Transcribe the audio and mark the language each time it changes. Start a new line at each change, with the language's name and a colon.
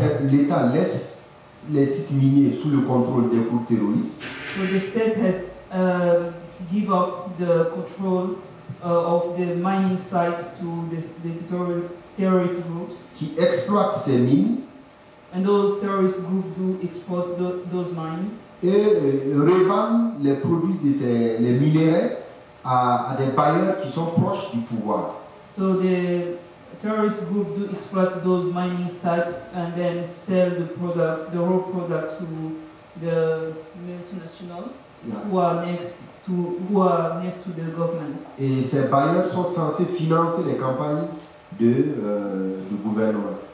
French: L'État laisse les sites miniers sous le contrôle des groupes terroristes.
English: So the state has give up the control of the mining sites to the terrorist groups.
French: Qui exploitent ces mines.
English: And those terrorist groups do export those mines.
French: Et revendent les produits de les minerais à des bailleurs qui sont proches du pouvoir.
English: So the terrorist group do exploit those mining sites and then sell the raw product to the multinational who are next to the government.
French: Et ces bailleurs sont censés financer les campagnes de gouvernement.